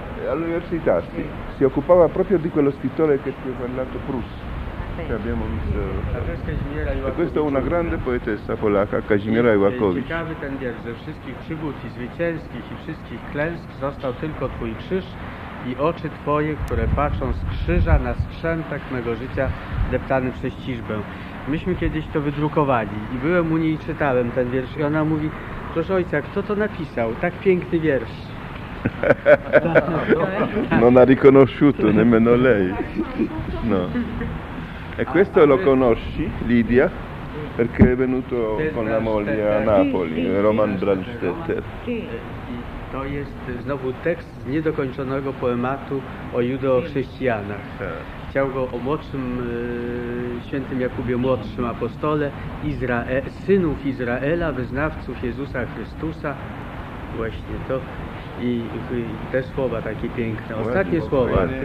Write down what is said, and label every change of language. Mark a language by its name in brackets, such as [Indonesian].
[Italian] All'università si occupava proprio di quello scrittore che ti ho parlato, Prus, che abbiamo visto. E questa è una grande poetessa polacca, Kazimiera Iłakowicz. [Polish] Ciekawy ten wiersz, ze wszystkich przygód i zwycięskich i wszystkich klęsk został tylko twój krzyż i oczy twoje, które patrzą z krzyża na skrzętek mego życia deptany przez ciżbę. Myśmy kiedyś to wydrukowali i byłem u niej i czytałem ten wiersz i ona mówi: proszę ojca, kto to napisał? Tak piękny wiersz. [Italian] No na riconosciuto, nemmeno lei. No. E questo lo conosci, Lidia? Perché è venuto con la moglie a Napoli, Roman Brandstetter. [Polish] To jest znowu tekst z niedokończonego poematu o judeochrześcijanach. Chciał go o młodszym, świętym Jakubie, młodszym apostole, synów Izraela, wyznawców Jezusa Chrystusa. Właśnie to. I te słowa takie piękne. Ostatnie słowa.